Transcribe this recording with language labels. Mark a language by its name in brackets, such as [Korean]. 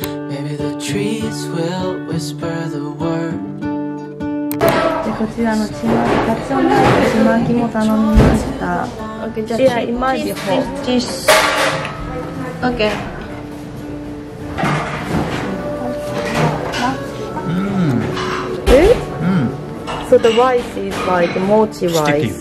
[English] Maybe the trees will whisper the word. [Japanese] でこちらのチマキ、カツオのチマキも頼みました。 [English] Okay, just yeah, imagine this. Okay. So the rice is like mochi rice.